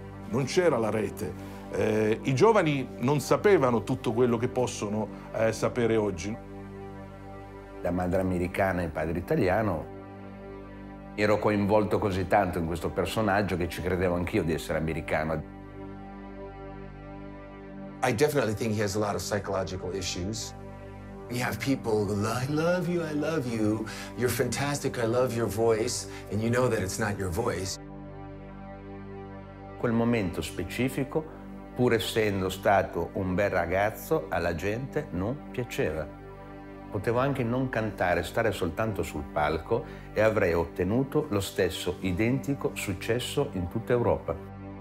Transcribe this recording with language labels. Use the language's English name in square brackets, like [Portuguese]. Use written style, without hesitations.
[Italian] Non c'era la rete, i giovani non sapevano tutto quello che possono sapere oggi. Da madre americana e padre italiano, ero coinvolto così tanto in questo personaggio che ci credevo anch'io di essere americano. [English] I definitely think he has a lot of psychological issues. You have people who go, I love you, you're fantastic, I love your voice, and you know that it's not your voice. [Italian] Quel momento specifico, pur essendo stato un bel ragazzo, alla gente non piaceva. Potevo anche non cantare, stare soltanto sul palco, e avrei ottenuto lo stesso identico successo in tutta Europa.